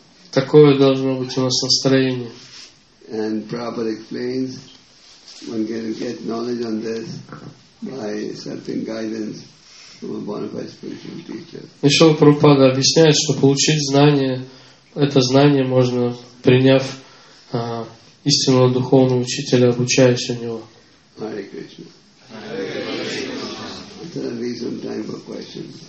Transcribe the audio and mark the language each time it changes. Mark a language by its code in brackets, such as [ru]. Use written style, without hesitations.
[ru] Такое должно быть у нас настроение. [en] And Prabhupada explains, one can get knowledge on this by certain guidance. [ru] Еще Прабхупада объясняет, что получить знание, это знание можно, приняв истинного духовного учителя, обучаясь у него. [sa] Hare Krishna. Hare Krishna.